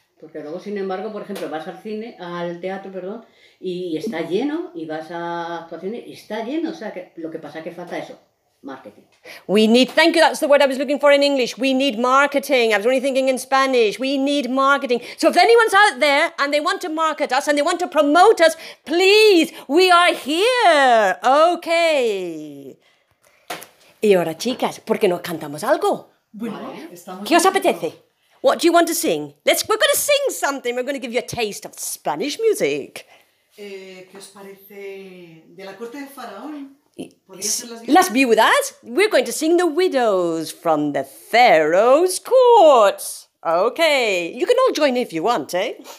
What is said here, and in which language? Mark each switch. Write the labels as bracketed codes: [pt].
[es] Porque luego, sin embargo, por ejemplo, vas al cine, al teatro, perdón, y está lleno, y vas a actuaciones, y está lleno. O sea, que lo que pasa es que falta eso. Marketing. [en] We need, thank you, that's the word I was looking for in English. We need marketing. I was only thinking in Spanish. We need marketing. So if anyone's out there and they want to market us and they want to promote us, please, we are here. Okay. [es] Y ahora, chicas, ¿por qué no cantamos algo? Bueno, estamos... ¿Qué os apetece? [en] What do you want to sing? We're going to sing something. We're going to give you a taste of Spanish music. [es] ¿Qué os parece de la corte de Faraón? Las viudas? [en] We're going to sing The Widows from the Pharaoh's Court. Okay, you can all join if you want, eh?